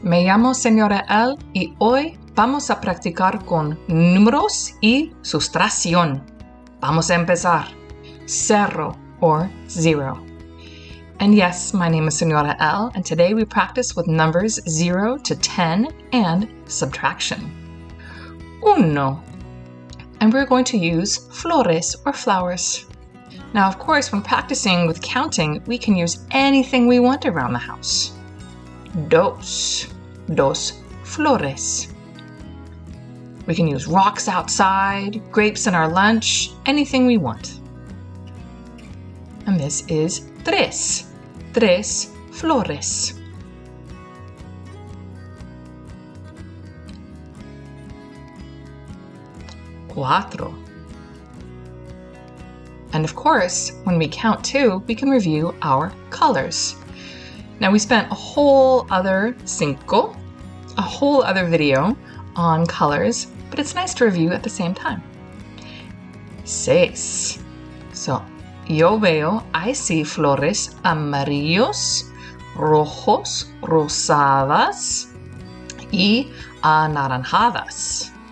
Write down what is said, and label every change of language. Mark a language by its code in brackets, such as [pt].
[es] Me llamo señora L y hoy vamos a practicar con números y sustracción. Vamos a empezar. Cero [en] or zero. And yes, my name is señora L, and today we practice with numbers 0 to 10 and subtraction. Uno. And we're going to use flores or flowers. Now, of course, when practicing with counting, we can use anything we want around the house. Dos. Dos flores. We can use rocks outside, grapes in our lunch, anything we want. And this is tres. [es] Tres flores. Cuatro. [en] And of course, when we count two, we can review our colors. Now we spent a whole other cinco, a whole other video on colors, but it's nice to review at the same time. [es] Seis. So yo veo, [en] I see [es] flores amarillos, rojos, rosadas, y anaranjadas.